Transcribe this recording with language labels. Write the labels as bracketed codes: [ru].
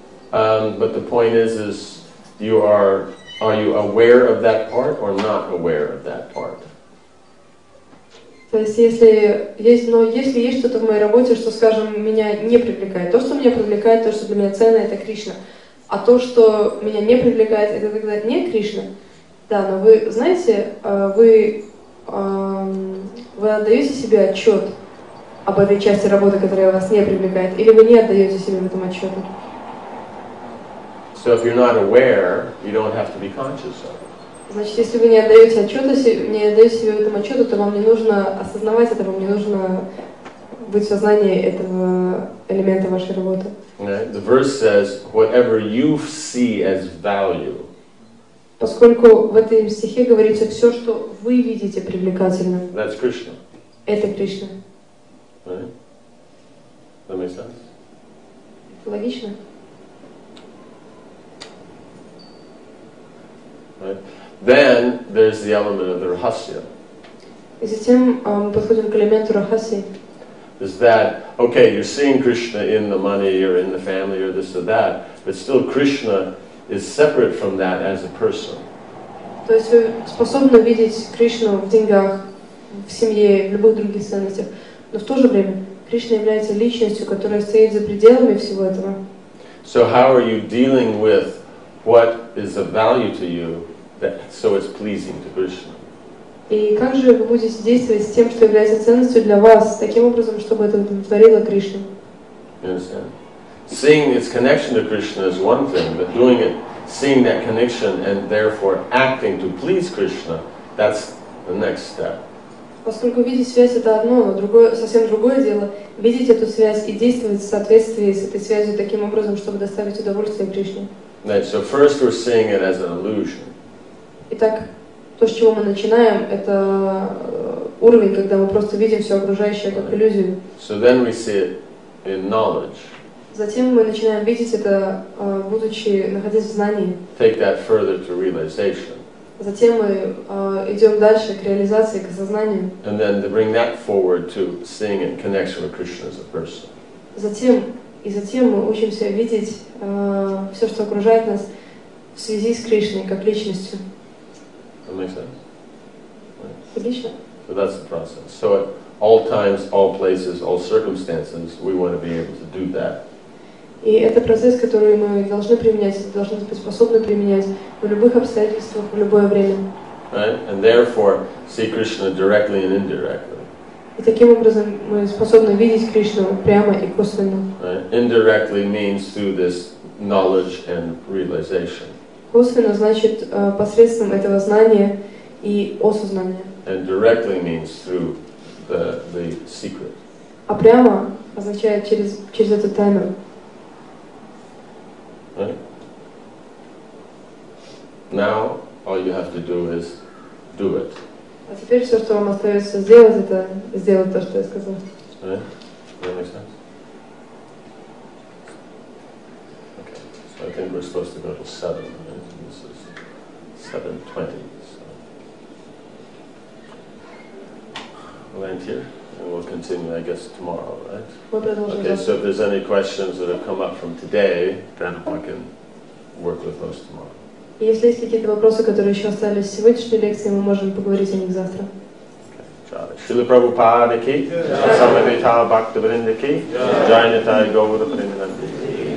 [en] But the point is you are you aware of that part or not aware of that part? [ru] То есть если есть, но если есть что-то в моей работе, что, скажем, меня не привлекает, то, что меня привлекает, то, что для меня ценно, это Кришна. А то, что меня не привлекает, это тогда не Кришна. Да, но вы знаете, вы отдаете себе отчет об этой части работы, которая вас не привлекает, или вы не отдаете себе в этом отчету? [en] So if you're not aware, you don't have to be conscious of it. [ru] Значит, если вы не отдаете отчета, не отдаете себе в этом отчету, то вам не нужно осознавать это, вам не нужно быть в сознании этого элемента вашей работы. [en] The verse says, whatever you see as value. [ru] Поскольку в этом стихе говорится, все, что вы видите привлекательно. [en] That's Krishna. [ru] Это Кришна. [en] Right? That makes sense? [ru] Это логично. [en] Right. Then there's the element of the rahasya. [ru] И затем мы подходим к элементу рахаси. [en] Is that okay? You're seeing Krishna in the money or in the family or this or that, but still Krishna is separate from that as a person. [ru] То есть вы способны видеть Кришну в деньгах, в семье, в любых других ценностях. Но в то же время Кришна является личностью, которая стоит за пределами всего этого. So how are you dealing with what is of value to you that so it's pleasing to Krishna? И как же вы будете действовать с тем, что является ценностью для вас, таким образом, чтобы это удовлетворило Кришну? [en] Seeing its connection to Krishna is one thing, but doing it, seeing that connection and therefore acting to please Krishna, that's the next step. [ru] Поскольку видеть связь — это одно, но другое, совсем другое дело — видеть эту связь и действовать в соответствии с этой связью таким образом, чтобы доставить удовольствие Кришне. [en] Right, so first we're seeing it as an illusion. [ru] Итак, то, с чего мы начинаем, это уровень, когда мы просто видим все окружающее как иллюзию. [en] So then we see it in knowledge. [ru] Затем мы начинаем видеть это, будучи, находясь в знании. [en] Take that further to realization. [ru] Затем мы идем дальше к реализации, к осознанию. [en] And then to bring that forward to seeing in connection with Krishna as a person. [ru] Затем мы учимся видеть все, что окружает нас, в связи с Кришной как личностью. [en] That makes sense. [ru] Отлично. [en] Right. So that's the process. So at all times, all places, all circumstances, we want to be able to do that. [ru] И это процесс, который мы должны применять, должны быть способны применять в любых обстоятельствах, в любое время. [en] Right? And therefore, see Krishna directly and indirectly. [ru] И таким образом мы способны видеть Кришну прямо и косвенно. [en] Right? Indirectly means through this knowledge and realization. [ru] Косвенно значит посредством этого знания и осознания. [en] And directly means through the secret. [ru] А прямо означает через эту тайну. [en] Right? Now all you have to do is do it. [ru] А теперь все, что вам остается сделать, это сделать то, что я сказал. [en] Right? That makes sense. Okay. So I think we're supposed to go to 7. Right? This is 7:20. So we'll end here, and we'll continue, I guess, tomorrow, right? Okay. So if there's any questions that have come up from today, then we can work with those tomorrow. [ru] Если есть какие-то вопросы, которые еще остались в сегодняшней лекции, мы можем поговорить о них завтра. [sa] Шрила Прабхупада ки, Самавита Бхактавринда ки, Джайнатай Говардханинанди ки.